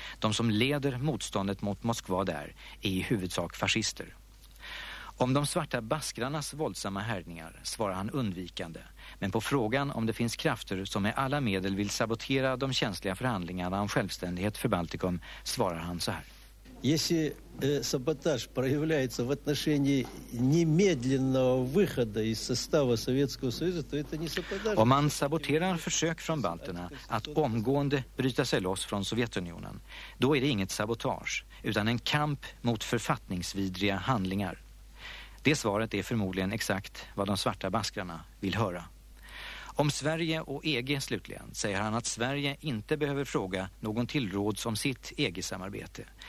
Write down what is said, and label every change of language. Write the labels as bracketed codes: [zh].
[sv] De som leder motståndet mot Moskva där är i huvudsak fascister. Om de svarta baskrarnas våldsamma härningar svarar han undvikande. Men på frågan om det finns krafter som med alla medel vill sabotera de känsliga förhandlingarna om självständighet för Baltikum svarar han så här. [ru] Если саботаж проявляется в отношении немедленного выхода из состава Советского Союза, то это не саботаж. [sv] Om man saboterar försök från balterna att omgående bryta sig loss från Sovjetunionen, då är det inget sabotage utan en kamp mot författningsvidriga handlingar. Det svaret är förmodligen exakt vad de svarta baskrarna vill höra. Om Sverige och EG slutligen säger han att Sverige inte behöver fråga någon tillråd om sitt EG-samarbete.